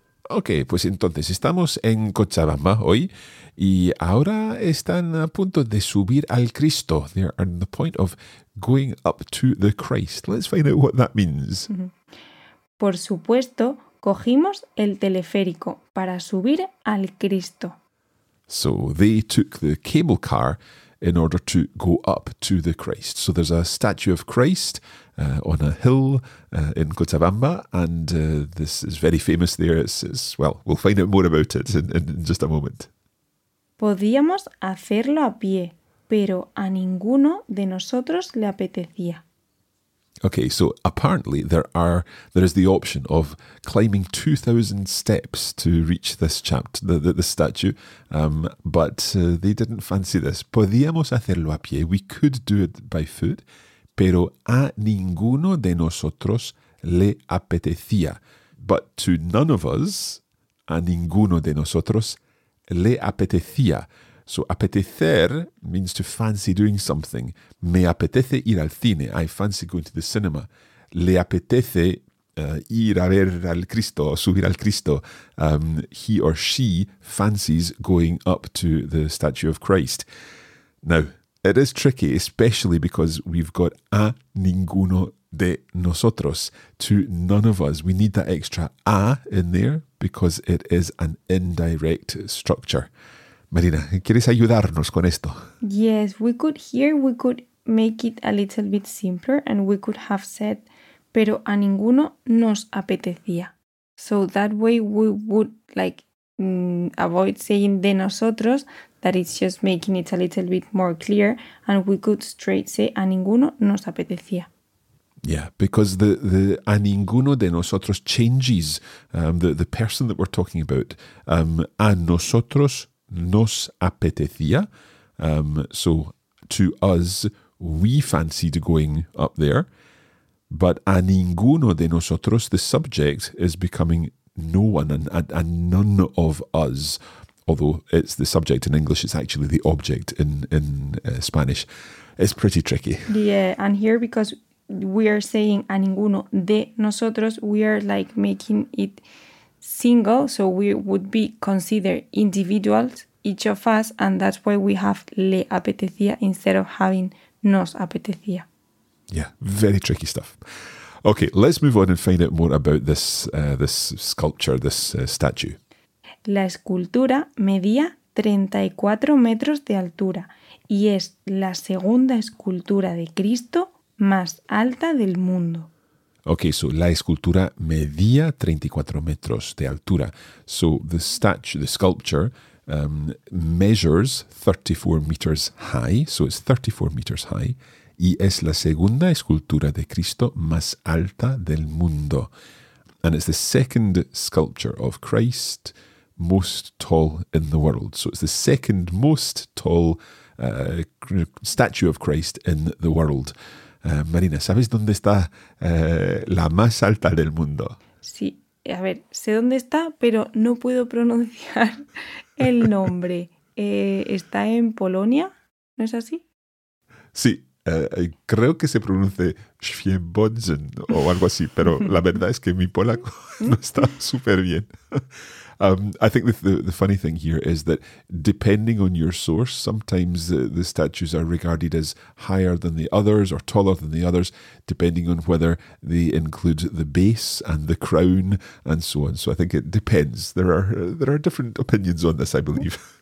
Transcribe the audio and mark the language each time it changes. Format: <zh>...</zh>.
<es>Ok, pues entonces estamos en Cochabamba hoy y ahora están a punto de subir al Cristo.</es> <en>They are on the point of going up to the Christ. Let's find out what that means.</en> <es>Por supuesto, cogimos el teleférico para subir al Cristo.</es> <en>So they took the cable car in order to go up to the Christ. So there's a statue of Christ on a hill in Cochabamba, and this is very famous there. It's well, we'll find out more about it in just a moment.</en> <es>Podíamos hacerlo a pie, pero a ninguno de nosotros le apetecía.</es> <en>Okay, so apparently there is the option of climbing 2,000 steps to reach this chapter, the statue, but they didn't fancy this.</en> <es>Podíamos hacerlo a pie,</es> <en>we could do it by foot,</en> <es>pero a ninguno de nosotros le apetecía.</es> <en>But to none of us,</en> <es>a ninguno de nosotros le apetecía.</es> <en>So apetecer means to fancy doing something.</en> <es>Me apetece ir al cine.</es> <en>I fancy going to the cinema.</en> <es>Le apetece ir a ver al Cristo, subir al Cristo.</es> <en>He or she fancies going up to the statue of Christ. Now, It is tricky, especially because we've got</en> <es>a ninguno de nosotros,</es> <en>to none of us. We need that extra a in there because it is an indirect structure.</en> <es>Marina, ¿quieres ayudarnos con esto?</es> <en>Yes, we could here, we could make it a little bit simpler and we could have said,</en> <es>pero a ninguno nos apetecía.</es> <en>So that way we would like avoid saying</en> <es>de nosotros,</es> <en>that it's just making it a little bit more clear, and we could straight say</en> <es>a ninguno nos apetecía.</es> <en>Yeah, because the</en> <es>a ninguno de nosotros</es> <en>changes the person that we're talking about.</en> <es>A nosotros nos apetecía.</es> <en>So to us, we fancied going up there. But</en> <es>a ninguno de nosotros,</es> <en>the subject, is becoming no one and none of us. Although it's the subject in English, it's actually the object in Spanish. It's pretty tricky. Yeah, and here because we are saying</en> <es>a ninguno de nosotros,</es> <en>we are like making it single. So we would be considered individuals, each of us. And that's why we have</en> <es>le apetecía</es> <en>instead of having</en> <es>nos apetecía.</es> <en>Yeah, very tricky stuff. Okay, let's move on and find out more about this this sculpture, this statue.</en> <es>La escultura medía 34 metros de altura y es la segunda escultura de Cristo más alta del mundo. Okay, so la escultura medía 34 metros de altura.</es> <en>So the statue, the sculpture, measures 34 meters high. So it's 34 meters high. Y es la segunda escultura de Cristo más alta del mundo. And it's the second sculpture of Christ most tall in the world. So it's the second most tall statue of Christ in the world.</en> <es>Marina, ¿sabes dónde está la más alta del mundo? Sí, a ver, sé dónde está, pero no puedo pronunciar el nombre. ¿Está en Polonia? ¿No es así? Sí. Creo que se pronuncia Świebodzin o algo así, pero la verdad es que mi polaco no está súper bien.</es> <en>I think the funny thing here is that depending on your source, sometimes the statues are regarded as higher than the others or taller than the others, depending on whether they include the base and the crown and so on. So I think it depends. There are different opinions on this, I believe.</en>